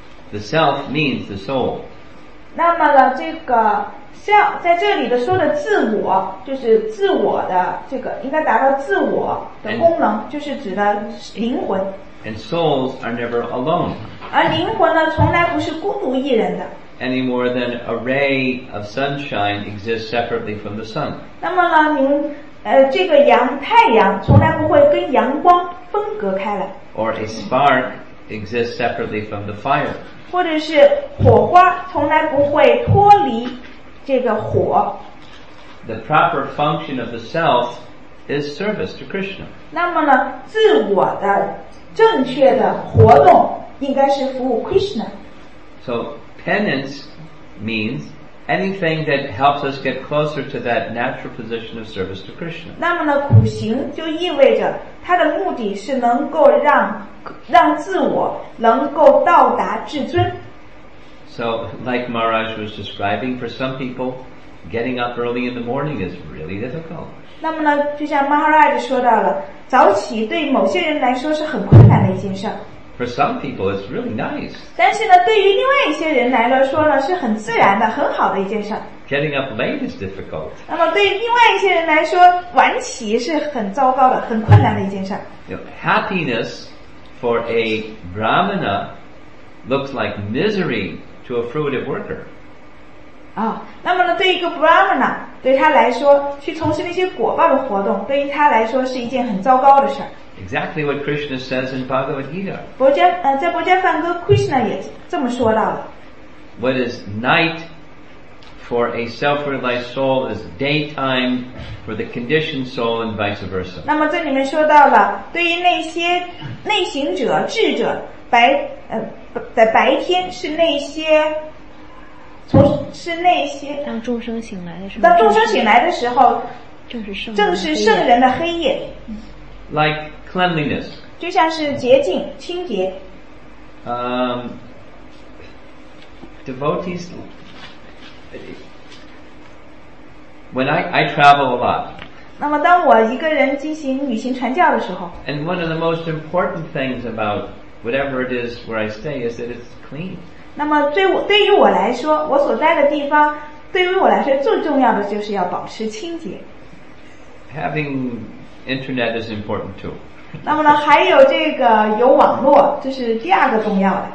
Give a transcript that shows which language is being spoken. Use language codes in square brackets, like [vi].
[en] The self means the soul. [zh] 那么呢，这个。像在这里的说的自我就是自我的这个应该达到自我的功能 and, 就是指的灵魂 [en] and souls are never alone [zh] 而灵魂呢从来不是孤独一人的 [en] any more than a ray of sunshine exists separately from the sun [zh] 那么呢您这个阳太阳从来不会跟阳光分隔开来 [en] or a spark exists separately from the fire [zh] 或者是火花从来不会脱离这个火 [en] The proper function of the self is service to Krishna. [zh] 那么呢，自我的正确的活动应该是服务 Krishna. [en] So penance means anything that helps us get closer to that natural position of service to Krishna. [zh] 那么呢，苦行就意味着它的目的是能够让自我能够到达至尊。 [en] So, like Maharaj was describing, for some people, getting up early in the morning is really difficult. [zh] 那么呢，就像 Maharaj 说到了，早起对某些人来说是很困难的一件事。 [en] For some people, it's really nice. [zh] 但是呢，对于另外一些人来说呢，是很自然的，很好的一件事。 [en] Getting up late is difficult. [zh] 那么对于另外一些人来说，晚起是很糟糕的，很困难的一件事。 [en] You know, happiness for a Brahmana looks like misery to a fruitive worker. [zh] 啊、oh, ，那么呢，对一个 Brahmana， 对他来说，去从事那些果报的活动，对于他来说是一件很糟糕的事儿。 [en] Exactly what Krishna says in Bhagavad Gita. [zh] 佛家，在佛家梵歌 ，Krishna 也这么说到了。 [en] What is night for a self-realized soul is daytime for the conditioned soul, and vice versa. [zh] 那么这里面说到了，对于那些内行者、智者，白的白天是那些。是那些当众生醒来的时候，当众生醒来的时候，正是圣人的黑夜。 [en] Like cleanliness， [zh] 就像是洁净、清洁。 [en] Devotees， when I travel a lot， [zh] 那么当我一个人进行旅行传教的时候 [en] ，and one of the most important things about whatever it is where I stay is that it's clean。 [zh] 那么对于我来说，我所在的地方，对于我来说最重要的就是要保持清洁。 [en] Having internet is important too. [zh] 那么呢，还有这个有网络，这是第二个重要的。